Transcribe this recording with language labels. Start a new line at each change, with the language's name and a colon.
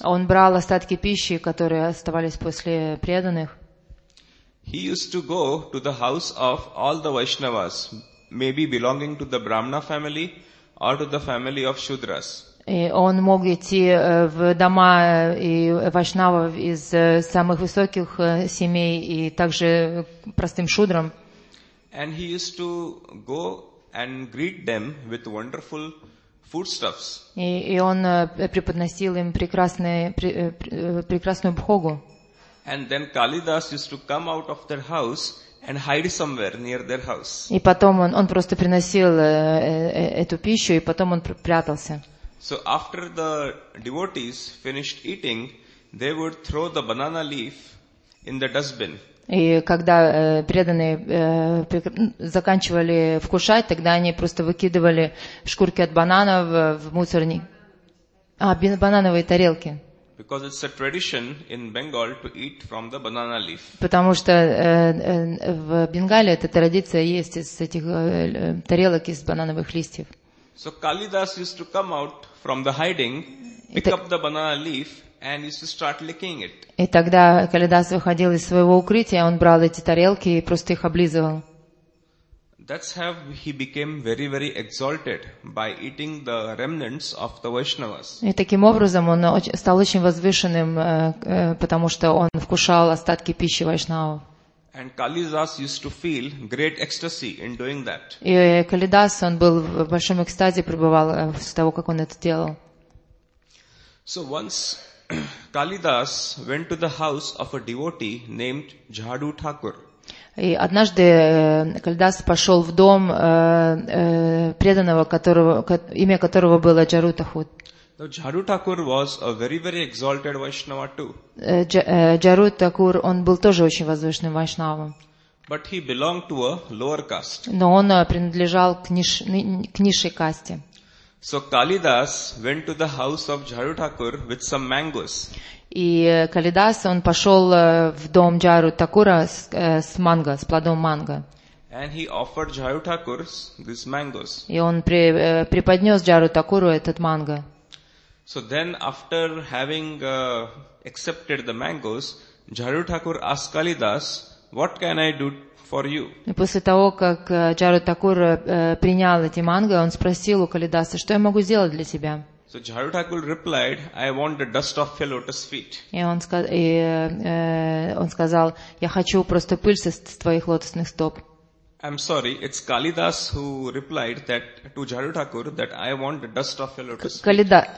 Russian: Он брал остатки пищи, которые оставались после преданных.
English: He used to go to the house of all the Vaishnavas, maybe belonging to the Brahmana family or to the family of Shudras.
Russian: И он мог идти в дома и вайшнавов из самых высоких семей и также простым шудрам.
English: And he used to go and greet them with wonderful foodstuffs.
Russian: И он преподносил им прекрасную бхогу.
English: And then Kalidas used to come out of their house and hide somewhere near their house.
Russian: И потом он просто приносил эту пищу и потом он прятался.
English: So after the devotees finished eating, they would throw the banana leaf in the dustbin.
Russian: И когда преданные заканчивали вкушать, тогда они просто выкидывали шкурки от бананов в мусорник. Банановые тарелки.
English: Because it's a tradition in Bengal to eat from the banana leaf.
Russian: Потому что в Бенгале эта традиция есть из этих тарелок из банановых листьев.
English: So Kalidas used to come out from the hiding, pick up the banana leaf And he used to start licking it.
Russian: И тогда Калидас выходил из своего укрытия, он брал эти тарелки и просто их облизывал.
English: That's how he became very, very exalted by eating the remnants of the Vaishnavas.
Russian: И таким образом он стал очень возвышенным, потому что он вкушал остатки пищи вайшнавов.
English: And Kalidas used to feel great ecstasy in doing that.
Russian: И Калидас, он был в большом экстазе пребывал с того, как он это делал.
English: So once Kalidas went to the house of a devotee named Jhadu Thakur.
Russian: И однажды Калидас пошел в дом преданного, имя которого было Jhadu Thakur.
English: Now Jhadu Thakur was a very, very exalted Vaishnava too.
Russian: Jhadu Thakur, он был тоже очень возвышенным вайшнавом.
English: But he belonged to a lower caste.
Russian: Но он принадлежал к низшей касте.
English: So Kalidas went to the house of Jhadu Thakur with some mangoes.
Russian: И Калидас, он пошел в дом Jhadu Thakur с манго, с плодом манго.
English: And he offered Jhadu Thakur these mangoes.
Russian: И он преподнес Jhadu Thakur этот манго.
English: So then after having accepted the mangoes, Jhadu Thakur asked Kalidas, what can I do for you?
Russian: И после того, как Jhadu Thakur принял эти манго, он спросил у Калидаса, что я могу сделать для тебя?
English: So Jhadu Thakur replied, I want the dust of your lotus feet.
Russian: И он сказал, я хочу просто пыль со твоих лотосных стоп.
English: I'm sorry, it's Kalidas who replied that to Jhadu Thakur that I want the dust of your lotus feet.